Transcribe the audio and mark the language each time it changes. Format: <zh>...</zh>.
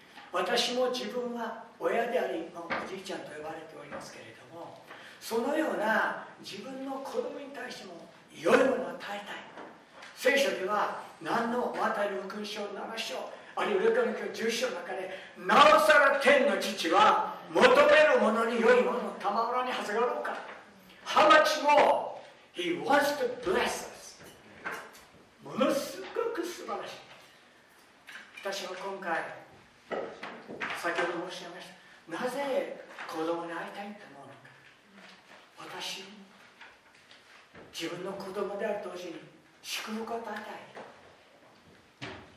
<ja>私も自分は親であり、おじいちゃんと呼ばれておりますけれども、そのような自分の子供に対しても良いものを与えたい。聖書では何のマタイの福音書7章、あるいはルカの福音書10章の中で、なおさら天の父は求めるものに良いものを賜らにはずがろうか。</ja> <en>How much more he wants to bless us。</en> <ja>ものすごく素晴らしい。私は今回先ほど申し上げました、なぜ子供に会いたいと思うのか。私自分の子供であると同時に祝福を与えたい。</ja>